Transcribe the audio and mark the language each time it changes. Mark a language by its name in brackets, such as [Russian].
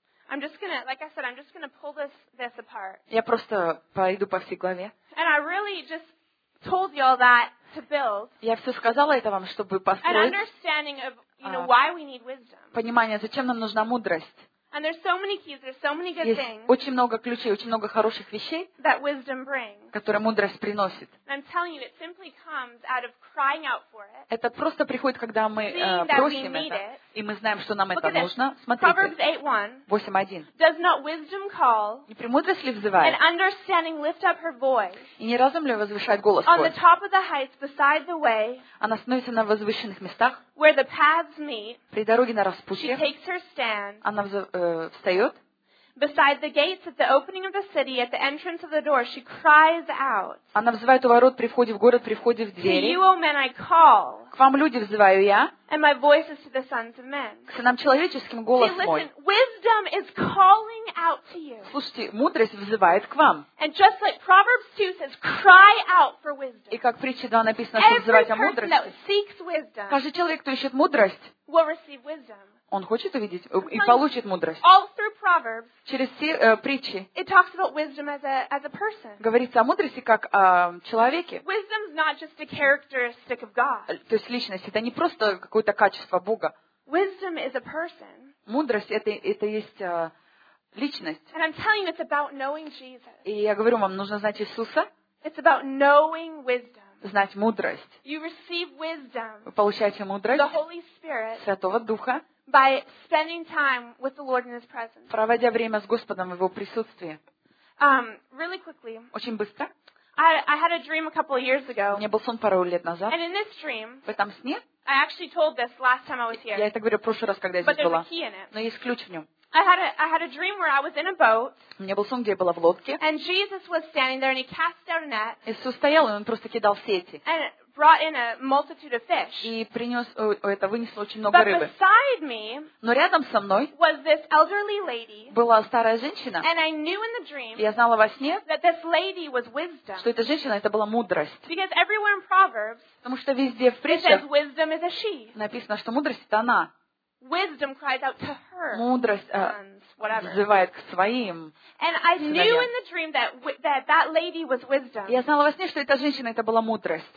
[English] I'm just gonna, like I said, I'm just gonna pull this apart. [Russian] Я просто пойду по всей главе. [English] And I really just told you all that to build. [Russian] Я все сказала это вам, чтобы построить. [English] An understanding of, you know, why we need wisdom. [Russian] Понимание, зачем нам нужна мудрость. [English] And there's so many keys, there's so many good [Russian] Есть [English] things. [Russian] Очень много ключей, очень много хороших вещей. [English] That wisdom brings. [Russian] Которые мудрость приносит. [English] And I'm telling you, it simply comes out of crying out for it. [Russian] Это просто приходит, когда мы просим это, и мы знаем, что нам [English] Look [Russian] это нужно. Смотрите. [English] Proverbs 8:1. [Russian] 8:1. [English] Does not wisdom call? [Russian] Не премудрость ли взывает? [English] And understanding lift up her voice. [Russian] И не разум ли возвышает голос свой? [English] On the top of the heights, beside the way. [Russian] Она становится на возвышенных местах. [English] Where the paths meet, [Russian] при дороге на распутье, [English] she takes her stand, [Russian] она встает, [English] beside the gates at the opening of the city, at the entrance of the door, she cries out, [Russian] она взывает у ворот, при входе в город, при входе в двери, [English] to you, O men, I call, [Russian] к вам, люди, взываю я, [English] and my voice is to the sons of men. [Russian] К сынам человеческим голос [English] See, listen, [Russian] мой. [English] Wisdom is calling out to you. [Russian] Слушайте, мудрость взывает к вам. [English] And just like Proverbs 2 says, cry out for wisdom. [Russian] И как в притче 2 написано, что взывать о мудрости. [English] Every person that seeks wisdom, [Russian] каждый человек, кто ищет мудрость, [English] will receive wisdom. [Russian] Он хочет увидеть и получит мудрость. [English] All through Proverbs, [Russian] через все притчи [English] it talks about wisdom as a person. [Russian] Говорится о мудрости как о человеке. [English] Wisdom's not just a characteristic of God. [Russian] То есть личность — это не просто какое-то качество Бога. [English] Wisdom is a person. [Russian] Мудрость — это есть личность. [English] And I'm telling you, it's about knowing Jesus. [Russian] И я говорю вам, нужно знать Иисуса. [English] It's about knowing wisdom. [Russian] Знать мудрость. [English] You receive wisdom, [Russian] вы получаете мудрость [English] the Holy Spirit, [Russian] Святого Духа, [English] by spending time with the Lord in His presence. [Russian] Проводя время с Господом в Его присутствии. [English] Really quickly. [Russian] Очень быстро. [English] I had a dream a couple of years ago. [Russian] У меня был сон пару лет назад. [English] And in this dream, [Russian] в этом сне, [English] I actually told this last time I was here. [Russian] Я это говорил в прошлый раз, когда я здесь была. [English] But there's a key in it. [Russian] Но есть ключ в нем. [English] I had a dream where I was in a boat. [Russian] У меня был сон, где я была в лодке. [English] And Jesus was standing there, and He cast out a net. [Russian] Иисус стоял, и Он просто кидал сети. [English] And brought in a multitude of fish. [Russian] И принес, это вынесло очень много рыбы. [English] But beside me, [Russian] но рядом со мной, [English] was this elderly lady. [Russian] Была старая женщина. [English] And I knew in the dream, [Russian] я знала во сне, [English] that this lady was wisdom. [Russian] Что эта женщина, это была мудрость. [English] Because everywhere in Proverbs, [Russian] потому что везде в притчах, [English] it says wisdom is a she. [Russian] Написано, что мудрость — это она. [English] Wisdom cries out to her. [Russian] Мудрость, взывает к своим. [English] And I knew in the dream that lady was wisdom. [Russian] Я знала во сне, что эта женщина это была мудрость.